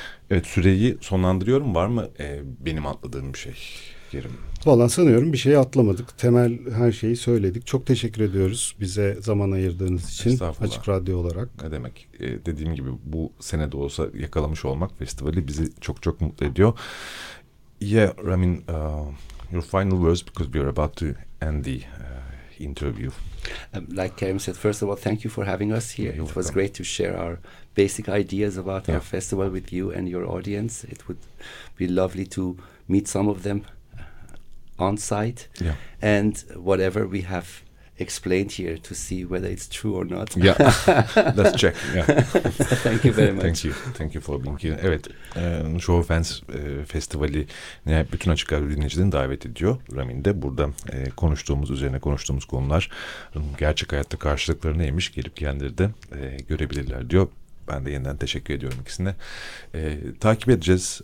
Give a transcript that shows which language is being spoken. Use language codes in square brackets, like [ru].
[tr] Evet, süreyi sonlandırıyorum. Var mı benim atladığım bir şey yerim? Vallahi sanıyorum bir şey atlamadık. Temel her şeyi söyledik. Çok teşekkür ediyoruz bize zaman ayırdığınız için Açık Radyo olarak. Ne demek? Dediğim gibi bu sene de olsa yakalamış olmak festivali bizi çok çok mutlu ediyor. [en] Yeah, I mean your final words because we are about to end the interview. Like Kerem said, first of all, thank you for having us here. It was great to share our basic ideas about our festival with you and your audience. It would be lovely to meet some of them on site. Yeah. And whatever we have explained here to see whether it's true or not. Yeah, let's check. Yeah. Thank you very much. Thank you. Thank you for being here. [tr] Evet, Show of Hands Festivali bütün Açık Radyo dinleyicilerini davet ediyor. Ramin'de burada konuştuğumuz konular gerçek hayatta karşılıkları neymiş, gelip kendileri de görebilirler diyor. Ben de yeniden teşekkür ediyorum ikisine. Takip edeceğiz.